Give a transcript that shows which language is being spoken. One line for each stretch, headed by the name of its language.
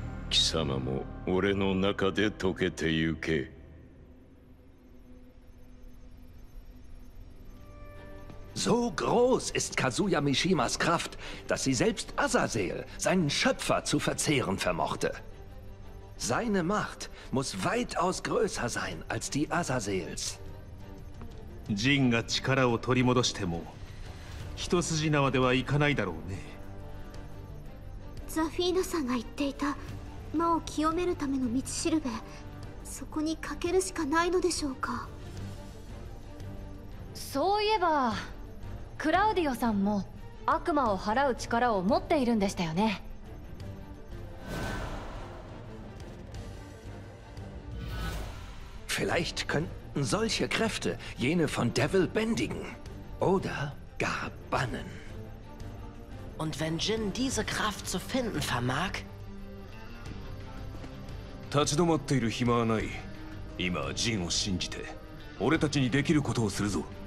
Japanese: 貴様も俺の中で溶けてゆけ。
German: So groß ist Kazuya Mishimas Kraft, dass sie selbst Azazel, seinen Schöpfer, zu verzehren vermochte. Seine Macht muss weitaus größer sein als die Azazels.
Japanese: Jin が力を取り戻しても、一筋縄ではいかないだろうね。ザフィーナさんが言っていた。魔を清めるための道しるべ、そこにかけるしかないのでしょうか。そういえばクラウディオさんも悪魔を払う力を持っているんでしたよね。
German: Vielleicht könnten solche Kräfte jene von Devil bändigen oder gar bannen. Und wenn Jin diese Kraft zu finden vermag?
Japanese: 立ち止まっている暇はない。今ジンを信じて、俺たちにできることをするぞ。